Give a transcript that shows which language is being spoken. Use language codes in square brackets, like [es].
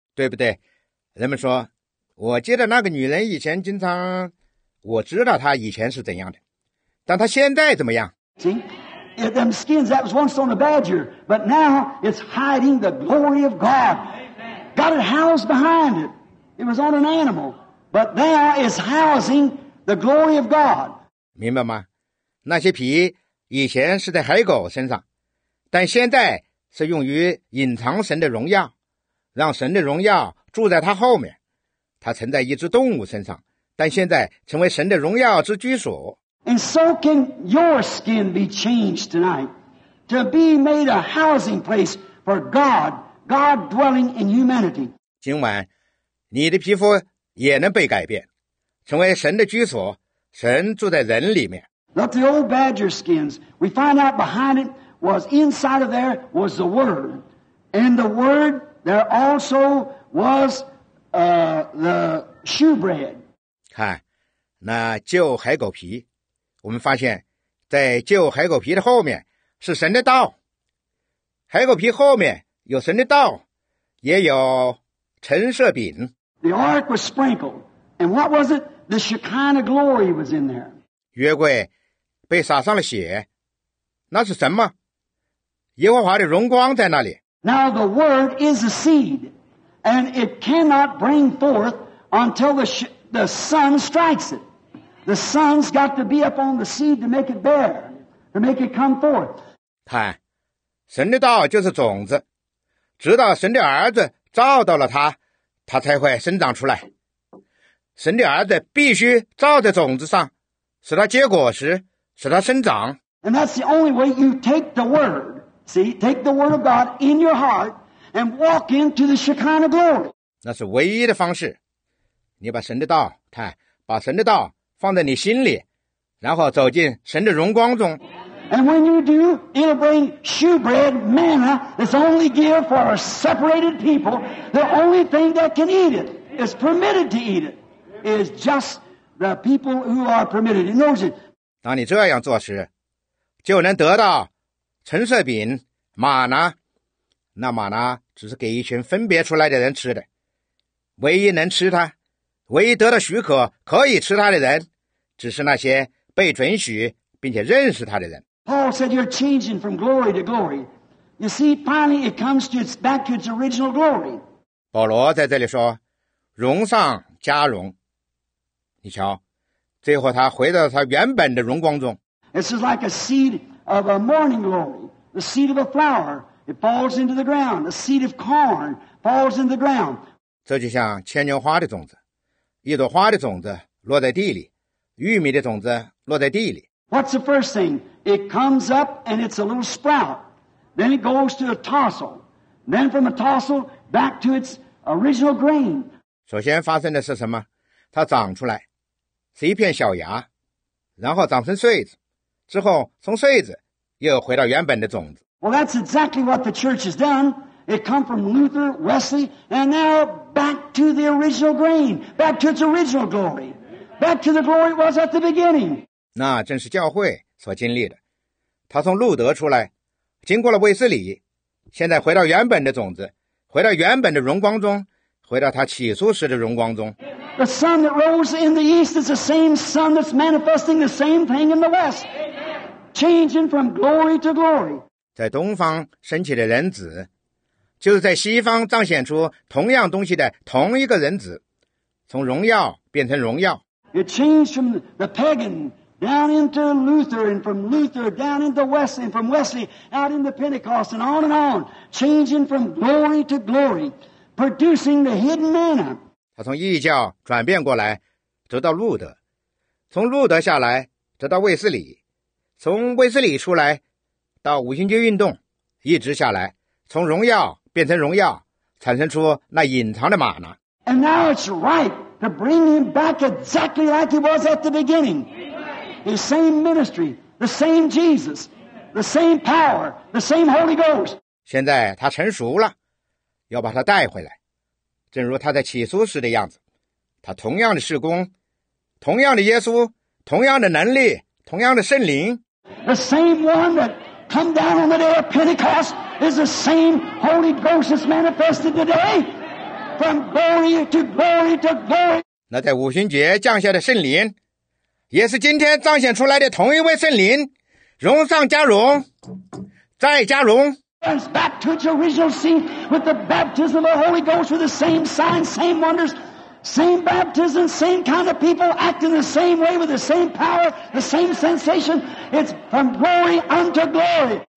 [zh] 对不对？人们说，我记得那个女人以前经常。我知道他以前是怎样的，但他现在怎么样？ [en] See, them skins that was once on a badger, but now it's hiding the glory of God. Got it housed behind it. It was on an animal, but now it's housing the glory of God. [zh] 明白吗？那些皮以前是在海狗身上，但现在是用于隐藏神的荣耀，让神的荣耀住在他后面。他存在一只动物身上。但现在成为神的荣耀之居所。 [en] And so can your skin be changed tonight to be made a housing place for God, God dwelling in humanity. [zh] 今晚，你的皮肤也能被改变，成为神的居所，神住在人里面。 [en] Not the old badger skins. We find out behind it was inside of there was the Word. And the Word, there also was, the shewbread. [zh] 看，那旧海狗皮，我们发现，在旧海狗皮的后面是神的道。海狗皮后面有神的道，也有橙色饼。 [en] The ark was sprinkled, and what was it? The Shekinah glory was in there. [zh] 约柜被撒上了血，那是什么？耶和华的荣光在那里。 [en] Now the word is a seed, and it cannot bring forth until the sun strikes it. The sun's got to be up on the seed to make it bear, to make it come forth. [zh] 看，神的道就是种子，直到神的儿子照到了它，它才会生长出来。神的儿子必须照在种子上，使它结果时，使它生长。 [en] And that's the only way you take the word, see, take the word of God in your heart and walk into the Shekinah glory. [zh] 那是唯一的方式。你把神的道，看，把神的道放在你心里，然后走进神的荣光中。 [en] And when you do, it'll bring shewbread manna that's only given for a separated people. The only thing that can eat it, is permitted to eat it, is just the people who are permitted. You know what I mean? [zh] 当你这样做时，就能得到橙色饼、玛拿。那玛拿只是给一群分别出来的人吃的，唯一能吃它。唯一得到许可可以吃他的人，只是那些被准许并且认识他的人。 [en] Paul said you're changing from glory to glory. You see, finally it comes to its back to its original glory. [zh] 保罗在这里说，荣上加荣。你瞧，最后他回到他原本的荣光中。 [en] It's just like a seed of a morning glory, the seed of a flower. It falls into the ground. A seed of corn falls in the ground. [zh] 这就像牵牛花的种子。一朵花的种子落在地里，玉米的种子落在地里。 [en] What's the first thing? It comes up and it's a little sprout. Then it goes to a tassel. Then from a tassel back to its original grain. [zh] 首先发生的是什么？它长出来，是一片小芽，然后长成穗子，之后从穗子又回到原本的种子。 [en] Well, that's exactly what the church has done. It come from Luther, Wesley, and now back to the original grain, back to its original glory, back to the glory it was at the beginning. [zh] 那正是教会所经历的，他从路德出来，经过了卫斯理，现在回到原本的种子，回到原本的荣光中，回到他起初时的荣光中。 [en] The sun that rose in the east is the same sun that's manifesting the same thing in the west, changing from glory to glory. [zh] 在东方升起的人子，就是在西方彰显出同样东西的同一个人子，从荣耀变成荣耀。 [en] It changed from the pagan down into Luther, and from Luther down into Wesley, and from Wesley out into Pentecost, and on, changing from glory to glory, producing the hidden manna. [zh] 他从异教转变过来，直到路德，从路德下来，直到卫斯理，从卫斯理出来，到五旬节运动，一直下来，从荣耀变成荣耀，产生出那隐藏的玛拿。 [en] And now it's right to bring him back exactly like he was at the beginning. The same ministry, the same Jesus, the same power, the same Holy Ghost. [zh] 现在他成熟了，要把他带回来，正如他在起初时的样子。他同样的事工，同样的耶稣，同样的能力，同样的圣灵。 [en] The same one that come down on the day of Pentecost is the same Holy Ghost that's manifested today. From glory to glory to glory. [zh] 那在五旬节降下的圣灵，也是今天彰显出来的同一位圣灵，荣上加荣，再加荣。 [en] Back to its original seat with the baptism of the Holy Ghost with the same signs, same wonders, same baptism, same kind of people acting the same way with the same power, the same sensation. It's from glory unto glory.